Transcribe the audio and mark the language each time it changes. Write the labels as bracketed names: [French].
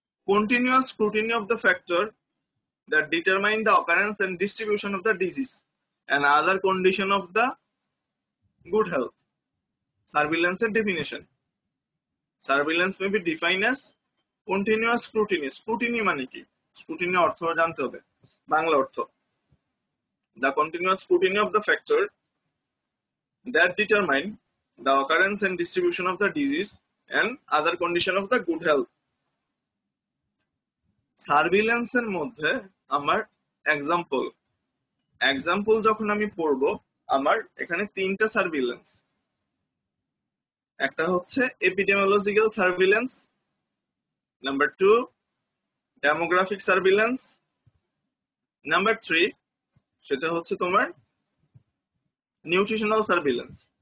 [English] continuous scrutiny of the factor that determine the occurrence and distribution of the disease and other condition of the good health, [Bangla] surveillance এর definition. [English] surveillance may be define as continuous scrutiny, [Bangla] scrutiny মানে কি, scrutiny অর্থ জানতে হবে বাংলা অর্থ। [English] The continuous scrutiny of the factor that determine the occurrence and distribution of the disease and other condition of the good health. [Bangla] Surveillance এর মধ্যে আমার example, example যখন আমি পড়বো আমার এখানে তিনটা সার্ভিলেন্স, একটা হচ্ছে epidemiological surveillance, number two demographic surveillance, number three সেটা হচ্ছে তোমার নিউট্রিশনাল সার্ভিলেন্স।